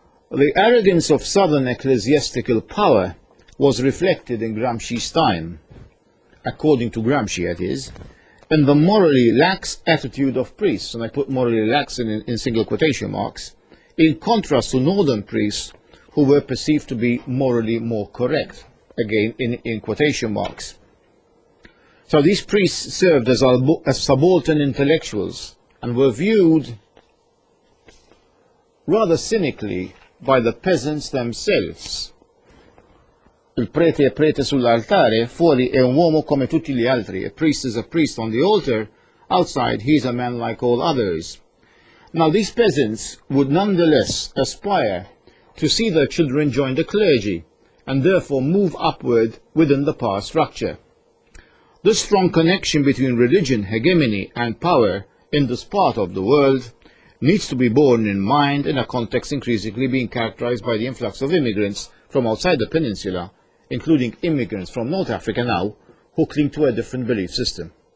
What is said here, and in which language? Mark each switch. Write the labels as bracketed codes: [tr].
[en] The arrogance of southern ecclesiastical power was reflected in Gramsci's time, according to Gramsci, that is, in the morally lax attitude of priests, and I put morally lax in single quotation marks, in contrast to northern priests who were perceived to be morally more correct, again in quotation marks. So these priests served as subaltern intellectuals and were viewed rather cynically by the peasants themselves. [it] Il prete è prete sull'altare, fuori è un uomo come tutti gli altri. [en] A priest is a priest on the altar, outside he is a man like all others. Now these peasants would nonetheless aspire to see their children join the clergy, and therefore move upward within the power structure. This strong connection between religion, hegemony and power in this part of the world needs to be borne in mind in a context increasingly being characterized by the influx of immigrants from outside the peninsula, including immigrants from North Africa now, who cling to a different belief system.